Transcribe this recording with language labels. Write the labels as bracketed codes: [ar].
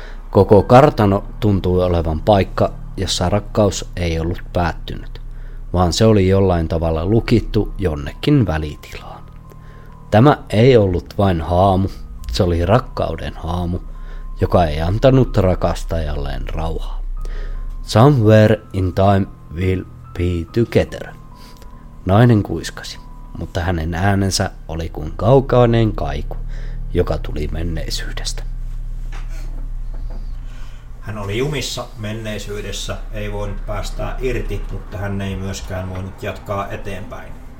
[fi] Koko kartano tuntui olevan paikka, jossa rakkaus ei ollut päättynyt, vaan se oli jollain tavalla lukittu jonnekin välitilaan. Tämä ei ollut vain haamu, se oli rakkauden haamu, joka ei antanut rakastajalleen rauhaa. [en] Somewhere in time we'll be together. [fi] Nainen kuiskasi, mutta hänen äänensä oli kuin kaukainen kaiku, joka tuli menneisyydestä. Hän oli jumissa menneisyydessä, ei voinut päästää irti, mutta hän ei myöskään voinut jatkaa eteenpäin.